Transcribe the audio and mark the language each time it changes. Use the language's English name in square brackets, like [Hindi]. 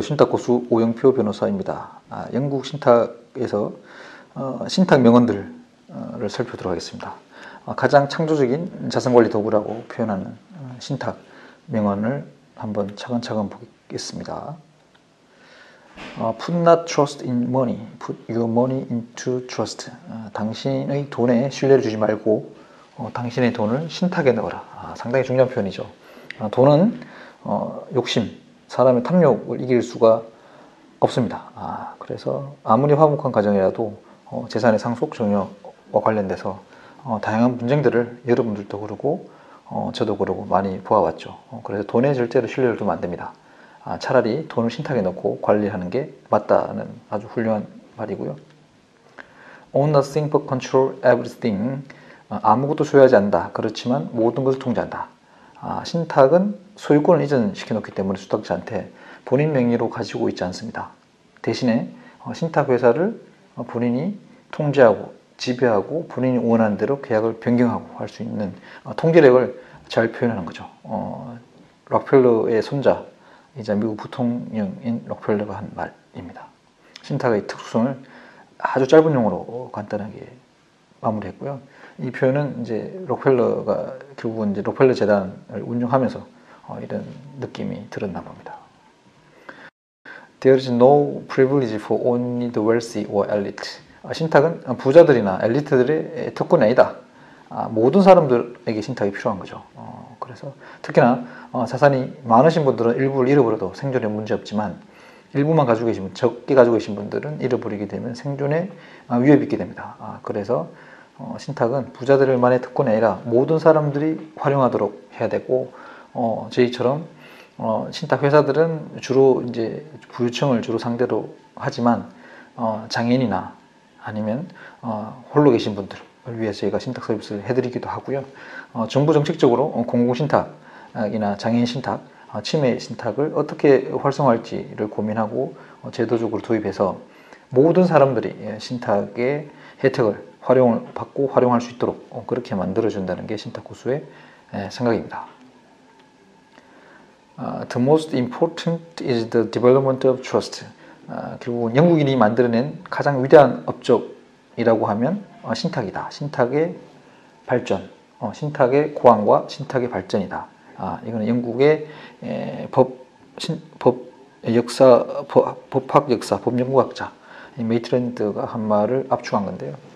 [Korean] 신탁고수 오영표 변호사입니다. 아, 영국 신탁에서 신탁 명언들을 살펴보도록 하겠습니다. 가장 창조적인 자산관리 도구라고 표현하는 신탁 명언을 한번 차근차근 보겠습니다. [English] Put not trust in money, put your money into trust. [Korean] 당신의 돈에 신뢰를 주지 말고 당신의 돈을 신탁에 넣어라. 상당히 중요한 표현이죠. 돈은 욕심, 사람의 탐욕을 이길 수가 없습니다. 그래서 아무리 화목한 가정이라도 재산의 상속 종여와 관련돼서 다양한 분쟁들을 여러분들도 그러고 저도 그러고 많이 보아왔죠. 그래서 돈에 절대로 신뢰를 두면 안 됩니다. 차라리 돈을 신탁에 넣고 관리하는 게 맞다는 아주 훌륭한 말이고요. [English] Own nothing but control everything. [Korean] 아무것도 소유하지 않는다. 그렇지만 모든 것을 통제한다. 신탁은 소유권을 이전시켜놓기 때문에 수탁자한테 본인 명의로 가지고 있지 않습니다. 대신에 신탁회사를 본인이 통제하고 지배하고 본인이 원하는 대로 계약을 변경하고 할 수 있는 통제력을 잘 표현하는 거죠. 록펠러의 손자이자 미국 부통령인 록펠러가 한 말입니다. 신탁의 특수성을 아주 짧은 용어로 간단하게 마무리했고요. 이 표현은 이제 록펠러가 결국은 이제 록펠러 재단을 운영하면서 이런 느낌이 들었나 봅니다. [English] There is no privilege for only the wealthy or elite. [Korean] 신탁은 부자들이나 엘리트들의 특권이 아니다. 모든 사람들에게 신탁이 필요한 거죠. 그래서 특히나 자산이 많으신 분들은 일부를 잃어버려도 생존에 문제 없지만 일부만 가지고 계신 분, 적게 가지고 계신 분들은 잃어버리게 되면 생존에 위협이 있게 됩니다. 그래서 신탁은 부자들만의 특권이 아니라 모든 사람들이 활용하도록 해야 되고 저희처럼 신탁 회사들은 주로 이제 부유층을 주로 상대로 하지만 장애인이나 아니면 홀로 계신 분들을 위해서 저희가 신탁 서비스를 해드리기도 하고요. 정부 정책적으로 공공신탁이나 장애인신탁, 치매신탁을 어떻게 활성화할지를 고민하고 제도적으로 도입해서 모든 사람들이 신탁의 혜택을 활용을 받고 활용할 수 있도록 그렇게 만들어준다는 게 신탁고수의 생각입니다. [English] The most important is the development of trust. [Korean] 결국은 영국인이 만들어낸 가장 위대한 업적이라고 하면 신탁이다. 신탁의 발전, 신탁의 고안과 신탁의 발전이다. 이거는 영국의 법학 역사, 법 연구학자 메이트랜드가 한 말을 압축한 건데요.